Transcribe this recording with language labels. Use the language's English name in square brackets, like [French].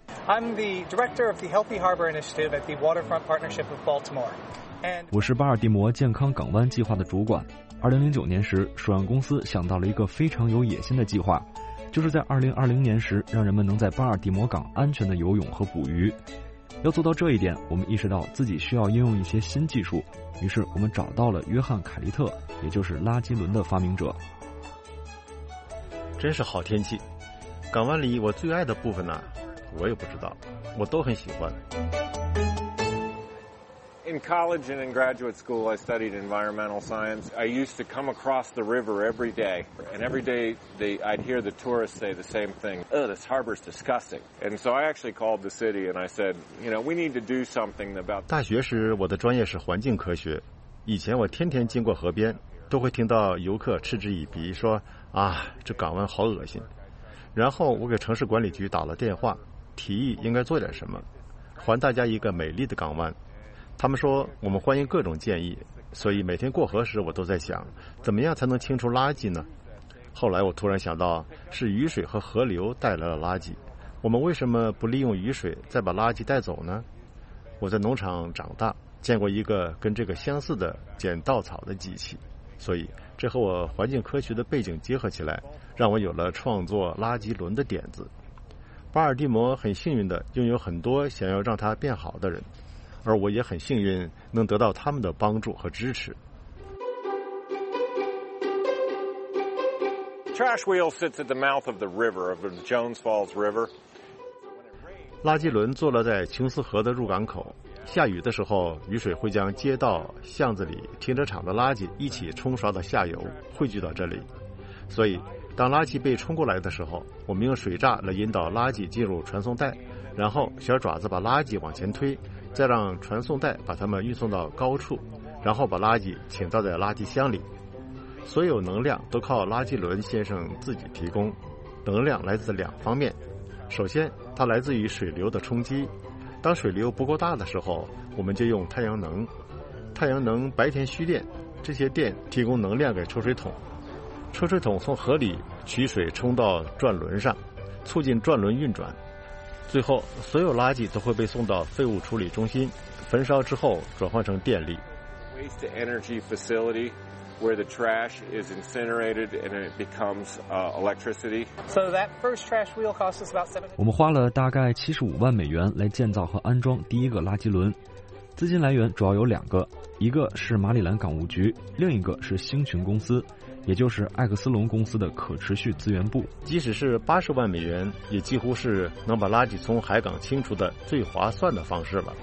[English] I'm the director of the Healthy Harbor Initiative at the Waterfront Partnership of Baltimore. [Chinese] 我是巴尔的摩健康港湾计划的主管。2009年时，首相公司想到了一个非常有野心的计划，就是在2020年时，让人们能在巴尔的摩港安全的游泳和捕鱼。要做到这一点，我们意识到自己需要应用一些新技术，于是我们找到了约翰·凯利特，也就是拉基伦的发明者。真是好天气，港湾里我最爱的部分呢，我也不知道，我都很喜欢。 [English] In college and in graduate school, I studied environmental science. I used to come across the river every day, and every day I'd hear the tourists say the same thing. Oh, this harbor's disgusting. And so I actually called the city and I said, you know, we need to do something about. [Chinese] 大学时，我的专业是环境科学。以前我天天经过河边，都会听到游客嗤之以鼻，说啊，这港湾好恶心。然后我给城市管理局打了电话，提议应该做点什么，还大家一个美丽的港湾。他们说我们欢迎各种建议，所以每天过河时我都在想，怎么样才能清除垃圾呢？后来我突然想到，是雨水和河流带来了垃圾，我们为什么不利用雨水再把垃圾带走呢？我在农场长大，见过一个跟这个相似的剪稻草的机器，所以这和我环境科学的背景结合起来，让我有了创作垃圾轮的点子。巴尔的摩很幸运地拥有很多想要让他变好的人，而我也很幸运能得到他们的帮助和支持。 [English] Trash wheel sits at the mouth of the river, of the Jones Falls River. [Chinese] 垃圾轮坐落在琼斯河的入港口，下雨的时候，雨水会将街道、巷子里、停车场的垃圾一起冲刷到下游，汇聚到这里。所以，当垃圾被冲过来的时候，我们用水闸来引导垃圾进入传送带，然后小爪子把垃圾往前推，再让传送带把它们运送到高处，然后把垃圾倾倒在垃圾箱里。所有能量都靠垃圾轮先生自己提供，能量来自两方面，首先它来自于水流的冲击，当水流不够大的时候，我们就用太阳能，太阳能白天蓄电，这些电提供能量给抽水桶，抽水桶从河里取水冲到转轮上，促进转轮运转，最后所有垃圾都会被送到废物处理中心，焚烧之后转换成电力。 [English] Waste Energy FacilityWhere the trash is incinerated and it becomes electricity. So that first trash wheel cost us about 70. [Chinese] 我们花了大概75万美元来建造和安装第一个垃圾轮。资金来源主要有两个，一个是马里兰港务局，另一个是星群公司，也就是艾克斯隆公司的可持续资源部。即使是80万美元，也几乎是能把垃圾从海港清除的最划算的方式了。